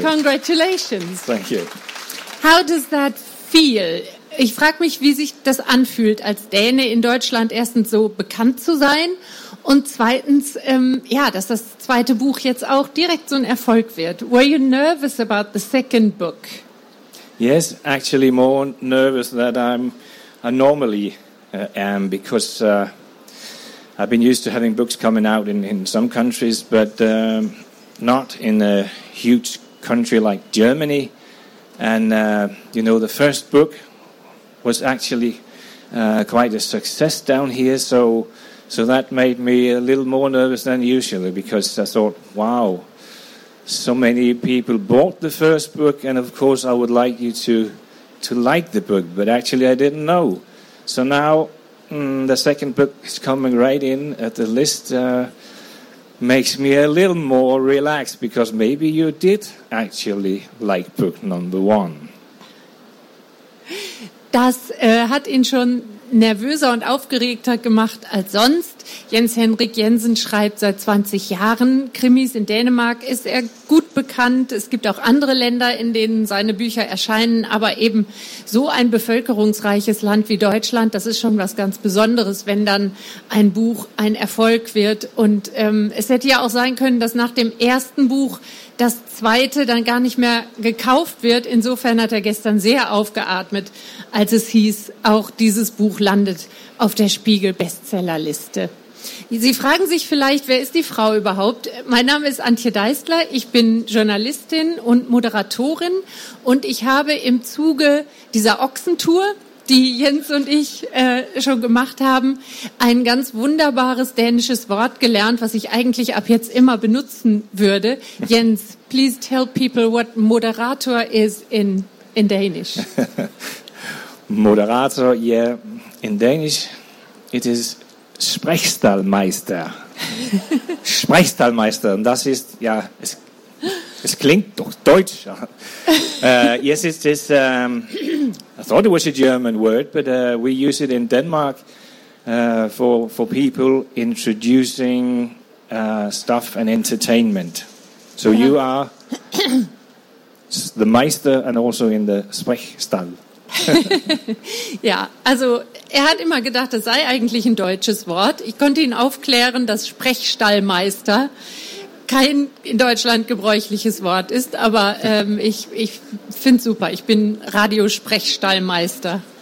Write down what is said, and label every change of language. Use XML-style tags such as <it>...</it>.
<en>Congratulations. Thank you. How does that feel?</en> <de>Ich frage mich, wie sich das anfühlt, als Däne in Deutschland erstens so bekannt zu sein und zweitens, dass das zweite Buch jetzt auch direkt so ein Erfolg wird.</de> <en>Were you nervous about the second book? Yes, actually more nervous than I normally am because I've been used to having books coming out in some countries, but not in a huge country like Germany. And, the first book was actually quite a success down here, so that made me a little more nervous than usually because I thought, wow. So many people bought the first book, and of course I would like you to like the book, but actually I didn't know. So now the second book is coming right in at the list. Makes me a little more relaxed, because maybe you did actually like book number one.</en> <de>Das hat ihn schon nervöser und aufgeregter gemacht als sonst. Jens Henrik Jensen schreibt seit 20 Jahren Krimis. In Dänemark ist er gut bekannt. Es gibt auch andere Länder, in denen seine Bücher erscheinen. Aber eben so ein bevölkerungsreiches Land wie Deutschland, das ist schon was ganz Besonderes, wenn dann ein Buch ein Erfolg wird. Und es hätte ja auch sein können, dass nach dem ersten Buch das zweite dann gar nicht mehr gekauft wird. Insofern hat er gestern sehr aufgeatmet, als es hieß, auch dieses Buch landet auf der Spiegel-Bestsellerliste. Sie fragen sich vielleicht, wer ist die Frau überhaupt? Mein Name ist Antje Deißler, ich bin Journalistin und Moderatorin und ich habe im Zuge dieser Ochsentour, die Jens und ich schon gemacht haben, ein ganz wunderbares dänisches Wort gelernt, was ich eigentlich ab jetzt immer benutzen würde.</de> <en>Jens, please tell people what moderator is in Danish. Moderator, yeah, in Danish it is Sprechstallmeister.</en> <de>Sprechstallmeister, und das ist, ja, es klingt doch deutsch.</de> <en>Yes, it is. I thought it was a German word, but we use it in Denmark for people introducing stuff and entertainment. So you are the Meister and also in the Sprechstall.</en> <de>Ja, also er hat immer gedacht, das sei eigentlich ein deutsches Wort. Ich konnte ihn aufklären, dass Sprechstallmeister kein in Deutschland gebräuchliches Wort ist, aber ich finde es super. Ich bin Radiosprechstallmeister.</de>